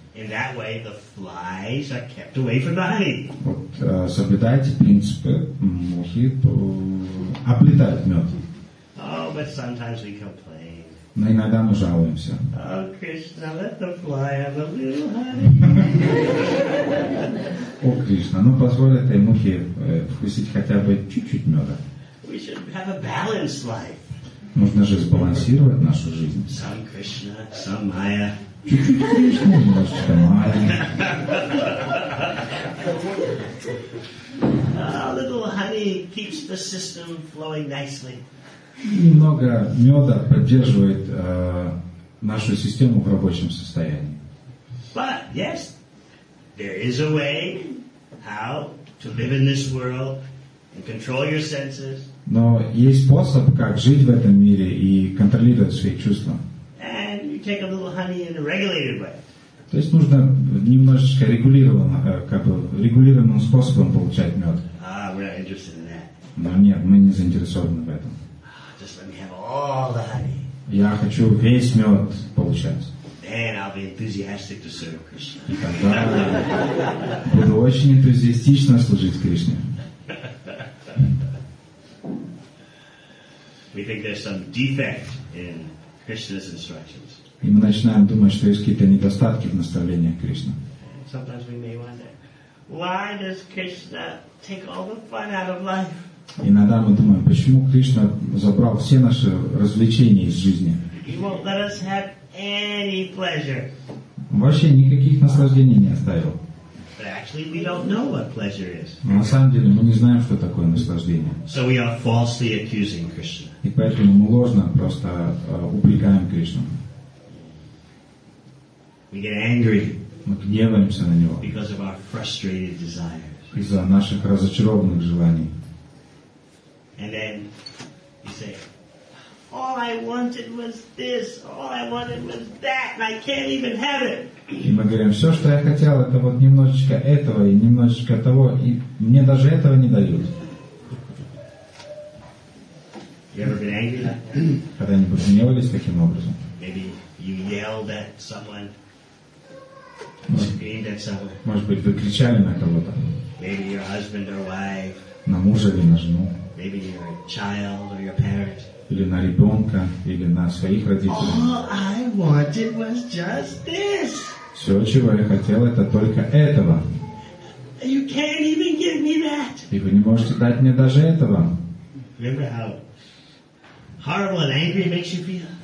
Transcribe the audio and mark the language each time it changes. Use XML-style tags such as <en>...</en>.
<en>In that way, the flies are kept away from the honey.</en> <ru>Вот соблюдайте принципы, мухи облетают мед.</ru> <en>Oh, but sometimes we complain.</en> <ru>Но иногда мы жалуемся.</ru> <en>Oh, Krishna, let the fly have a little honey.</en> <ru>О, Кришна, позволь этой мухе вкусить хотя бы чуть-чуть меда.</ru> <en>We should have a balanced life.</en> <ru>Нужно же сбалансировать нашу жизнь.</ru> <en>Some Krishna, some Maya.</en> <ru>Чуть-чуть Кришна, немножечко Майя.</ru> <en>A little honey keeps the system flowing nicely.</en> <ru>Немного меда поддерживает нашу систему в рабочем состоянии.</ru> <en>But yes, there is a way how to live in this world and control your senses.</en> <ru>Но есть способ, как жить в этом мире и контролировать свои чувства.</ru> <en>And you take a little honey in a regulated way.</en> <ru>То есть нужно немножечко регулированным способом получать мед.</ru> <en>Ah, we're not interested in that.</en> <ru>Но нет, мы не заинтересованы в этом.</ru> <en>All the honey.</en> <ru>Я хочу весь мед получать.</ru> <en>Then I'll be enthusiastic to serve Krishna.</en> <ru>И тогда буду очень энтузиастично служить Кришне.</ru> <en>We think there's some defect in Krishna's instructions.</en> <ru>И мы начинаем думать, что есть какие-то недостатки в наставлениях Кришны.</ru> <en>Sometimes we may wonder, why does Krishna take all the fun out of life?</en> <ru>Иногда мы думаем, почему Кришна забрал все наши развлечения из жизни?</ru> <en>He won't let us have any pleasure.</en> <ru>Вообще никаких наслаждений не оставил.</ru> <en>Actually, we don't know what pleasure is.</en> <ru>Но на самом деле мы не знаем, что такое наслаждение.</ru> <en>So we are falsely accusing Krishna.</en> <ru>И поэтому мы ложно просто упрекаем Кришну.</ru> <en>We get angry.</en> <ru>Мы гневаемся на него.</ru> <en>Because of our frustrated desires.</en> <ru>Из-за наших разочарованных желаний.</ru> <en>And then you say, all I wanted was this, all I wanted was that, and I can't even have it.</en> <ru>И мы говорим, все, что я хотел, это вот немножечко этого и немножечко того, и мне даже этого не дают.</ru> <en>You ever been angry?</en> <ru>Когда-нибудь гневались таким образом?</ru> <en>Maybe you yelled at someone, screamed at someone.</en> <ru>Может быть, вы кричали на кого-то?</ru> <en>Maybe your husband or wife.</en> <ru>На мужа или на жену?</ru> <en>Maybe your child or your parent.</en> <ru>Или на ребенка, или на своих родителей.</ru> <en>All I wanted was just this.</en> <ru>Все, чего я хотел, это только этого.</ru> <en>You can't even give me that.</en> <ru>И вы не можете дать мне даже этого.</ru> <en>Remember how horrible and angry makes you feel?</en>